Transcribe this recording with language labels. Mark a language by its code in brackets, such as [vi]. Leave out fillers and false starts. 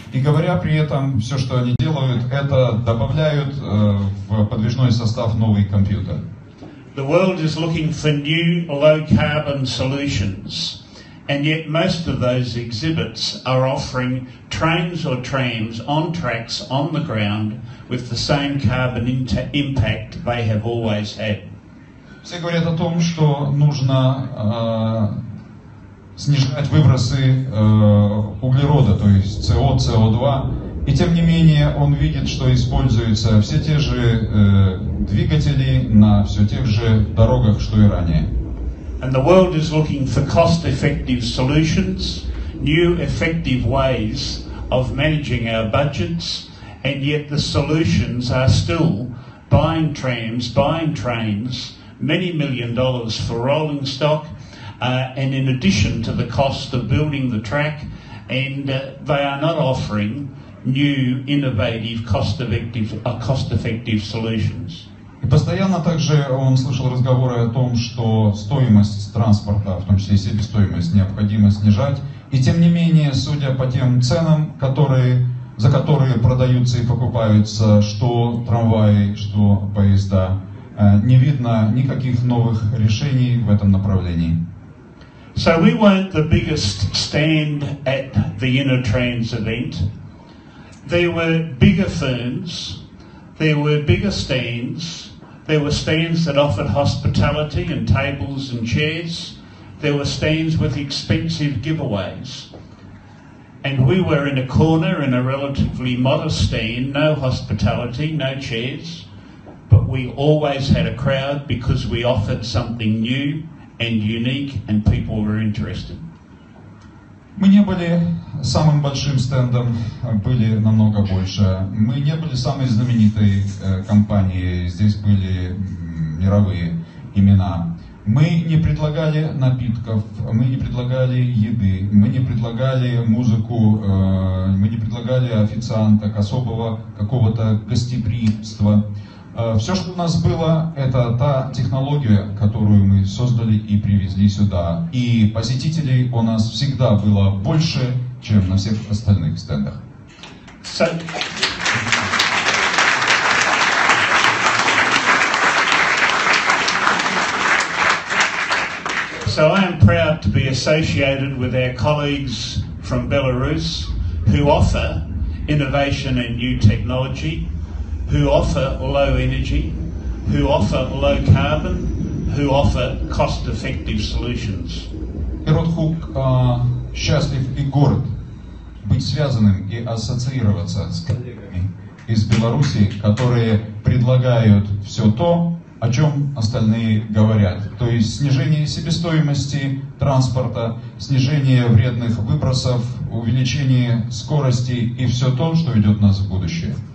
[ru] И говоря при этом, все, что они делают, это добавляют в подвижной состав новый компьютер. [en] The world is looking for new low-carbon solutions. And yet most of those exhibits are offering trains or trams on tracks on the ground with the same carbon impact they have always had. [ru] Все говорят о том, что нужно снижать выбросы углерода, то есть CO, CO2. И тем не менее он видит, что используются все те же двигатели на все тех же дорогах, что и ранее. [en] And the world is looking for cost-effective solutions, new effective ways of managing our budgets, and yet the solutions are still buying trams, buying trains, many million dollars for rolling stock, and in addition to the cost of building the track, and they are not offering new innovative cost-effective solutions. [ru] И постоянно также он слышал разговоры о том, что стоимость транспорта, в том числе и себестоимость, необходимо снижать. И тем не менее, судя по тем ценам, за которые продаются и покупаются, что трамваи, что поезда, не видно никаких новых решений в этом направлении. [en] So we weren't the biggest stand at the InnoTrans event. There were bigger firms, there were bigger stands. There were stands that offered hospitality and tables and chairs. There were stands with expensive giveaways. And we were in a corner in a relatively modest stand, no hospitality, no chairs. But we always had a crowd because we offered something new and unique and people were interested. [ru] Мы не были самым большим стендом, были намного больше. Мы не были самой знаменитой компанией, здесь были мировые имена. Мы не предлагали напитков, мы не предлагали еды, мы не предлагали музыку, мы не предлагали официанток, особого какого-то гостеприимства. Все, что у нас было, это та технология, которую мы создали и привезли сюда. И посетителей у нас всегда было больше, чем на всех остальных стендах. [en] So I am proud to be associated with our colleagues from Belarus, who offer innovation and new technology, who offer low energy, who offer low carbon, who offer cost-effective solutions. [ru] Иродхук счастлив и горд быть связанным и ассоциироваться с коллегами из Беларуси, которые предлагают все то, о чем остальные говорят. То есть снижение себестоимости транспорта, снижение вредных выбросов, увеличение скорости и все то, что ведет нас в будущее.